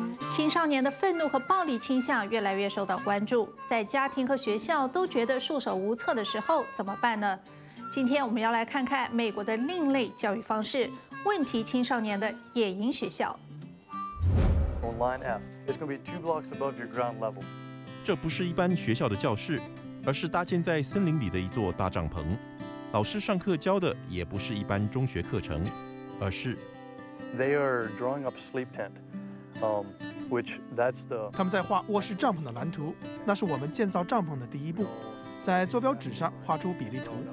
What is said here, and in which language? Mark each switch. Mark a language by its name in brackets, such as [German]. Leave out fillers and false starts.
[Chinese] 青少年的愤怒和暴力倾向越来越受到关注，在家庭和学校都觉得束手无策的时候怎么办呢？今天我们要来看看美国的另类教育方式，问题青少年的野营学校。 [English] On line F, it's going to be 2 blocks above your ground level. [Chinese] 这不是一般学校的教室，而是搭建在森林里的一座大帐篷。老师上课教的也不是一般中学课程，而是 [English] They are drawing up a sleep tent. [Chinese] 他们在画卧室帐篷的蓝图，那是我们建造帐篷的第一步，在坐标纸上画出比例图。